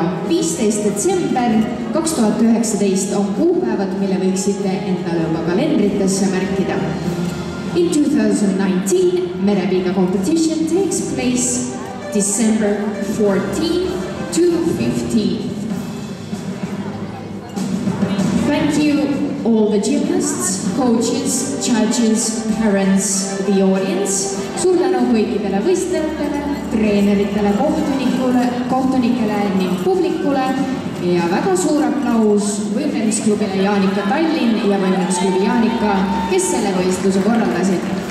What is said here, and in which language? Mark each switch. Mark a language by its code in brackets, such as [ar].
[et] Detsember 2019 on kuupäevad, mille võiksite endale oma kalendritesse märkida. [en] In 2019, Merebiga competition takes place December 14 to 15. Thank you all the gymnasts, coaches, judges, parents, the audience. [et] Suur tänu kõikidele võistlejatele, treeneritele, kohtunikele ning publikule. Ja väga suur aplaus võimlemisklubile Jaanika Tallinn ja võimlemisklubi Jaanika, kes selle võistluse korraldasid.